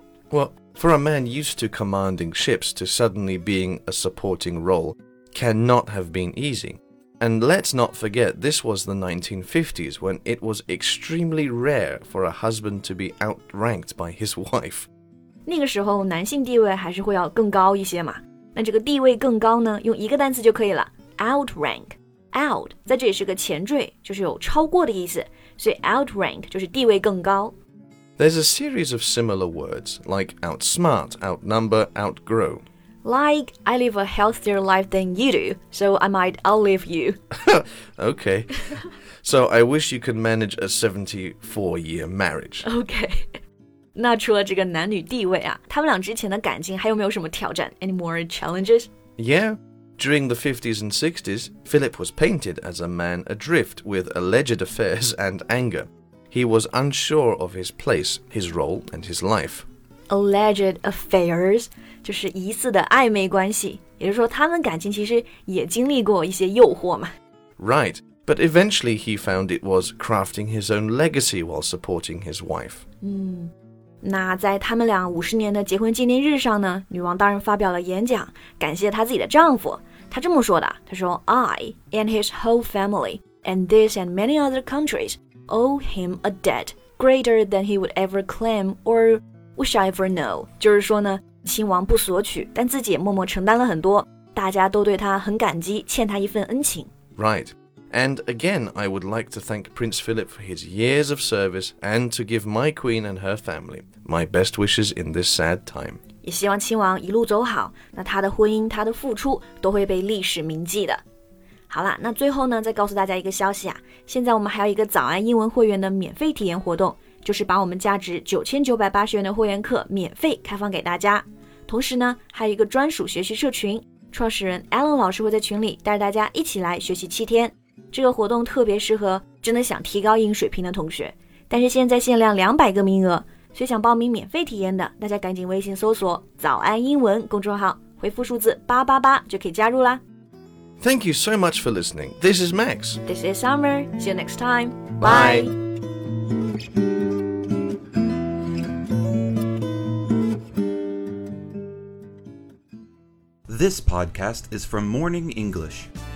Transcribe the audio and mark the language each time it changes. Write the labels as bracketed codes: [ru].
[en] Well, for a man used to commanding ships to suddenly being a supporting role cannot have been easy. And let's not forget this was the 1950s when it was extremely rare for a husband to be outranked by his wife. [zh] 那个时候男性地位还是会要更高一些嘛。那这个地位更高呢用一个单词就可以了 outrank. Out 在这里是个前缀就是有超过的意思所以 outrank 就是地位更高 [en] There's a series of similar words like outsmart, outnumber, outgrow Like I live a healthier life than you do so I might outlive you Okay So I wish you could manage a 74 year marriage [zh] Okay 那除了这个男女地位啊他们俩之前的感情还有没有什么挑战 [en] Any more challenges? Yeah During the 50s and 60s, Philip was painted as a man adrift with alleged affairs and anger. He was unsure of his place, his role, and his life. Alleged affairs, [zh] 就是疑似的暧昧关系。也就是说他们感情其实也经历过一些诱惑嘛。 [en] Right, but eventually he found it was crafting his own legacy while supporting his wife. [zh] 那在他们俩五十年的结婚纪念日上呢女王当然发表了演讲感谢她自己的丈夫她这么说的她说 [en] I and his whole family and this and many other countries owe him a debt greater than he would ever claim or wish I ever know [zh] 就是说呢亲王不索取但自己也默默承担了很多大家都对他很感激欠他一份恩情 [en] Right And again, I would like to thank Prince Philip for his years of service and to give my queen and her family my best wishes in this sad time. [zh] 也希望亲王一路走好，那他的婚姻，他的付出都会被历史铭记的。好了，那最后呢，再告诉大家一个消息啊，现在我们还有一个早安英文会员的免费体验活动，就是把我们价值9980元的会员课免费开放给大家。同时呢，还有一个专属学习社群，创始人 Alan 老师会在群里带着大家一起来学习7天。这个活动特别适合真的想提高英语水平的同学但是现在限量200个名额，所以想报名免费体验的，大家赶紧微信搜索早安英文公众号，回复数字888就可以加入啦。 [en] Thank you so much for listening. This is Max. This is Summer. See you next time. Bye. Bye. This podcast is from Morning English.